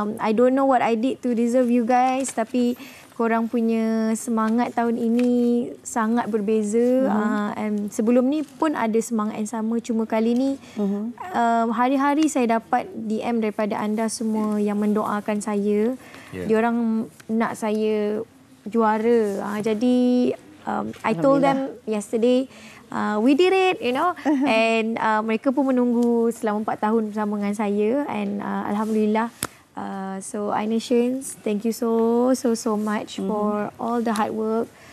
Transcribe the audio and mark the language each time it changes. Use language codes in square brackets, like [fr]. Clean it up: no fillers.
[en] I don't know what I did to deserve you guys. [ms] Tapi korang punya semangat tahun ini sangat berbeza. And sebelum ni pun ada semangat yang sama. Cuma kali ini, hari-hari saya dapat DM daripada anda semua yang mendoakan saya. Yeah. Diorang nak saya juara. Jadi... [en] I told them yesterday, we did it, you know. [ms] And mereka pun menunggu selama 4 tahun bersama dengan saya. [en] And Alhamdulillah. So, Aina Shins, thank you so much for all the hard work.